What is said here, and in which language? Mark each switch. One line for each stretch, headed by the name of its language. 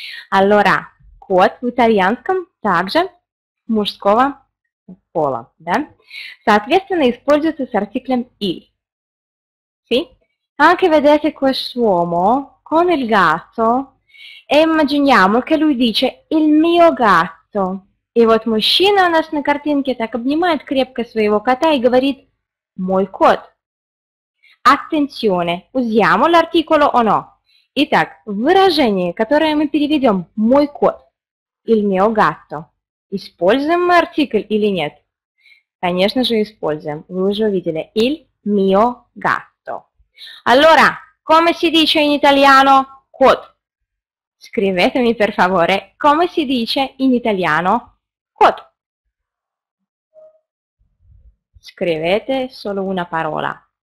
Russian: Allora, кот в итальянском также мужского пола. Да? Соответственно, используется с артиклем il.
Italian: Sì? Anche vedete quest'uomo con il gatto e immaginiamo che lui dice il mio gatto.
Russian: И вот мужчина у нас на картинке так обнимает крепко своего кота и говорит «мой кот».
Italian: Attenzione, usiamo l'articolo o no?
Russian: Итак, выражение, которое мы переведем «мой кот»,
Italian: «il mio gatto»,
Russian: используем мы артикль или нет? Конечно же, используем. Вы уже увидели
Italian: «il mio gatto». Allora, come si dice in italiano «кот»? Scrivetemi, per favore, come si dice in italiano «кот»? Cot. Scrivete solo una parola.